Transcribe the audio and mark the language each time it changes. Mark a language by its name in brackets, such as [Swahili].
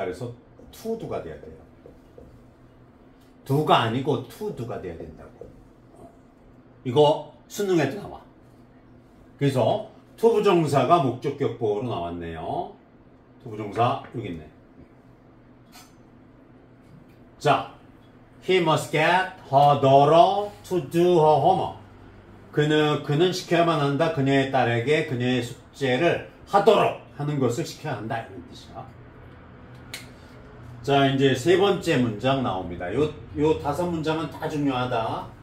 [Korean] 그래서 to do가 돼야 돼요. do가 아니고 to do가 돼야 된다고. 이거 수능에도 나와. 그래서 to 부정사가 목적격 보호로 나왔네요. to 부정사 여기 있네. [English] 자, he must get her daughter to do her homework. [Korean] 그는 시켜야만 한다. 그녀의 딸에게 그녀의 숙제를 하도록 하는 것을 시켜야 한다. 이런 뜻이야. 자, 이제 세 번째 문장 나옵니다. 요 다섯 문장은 다 중요하다.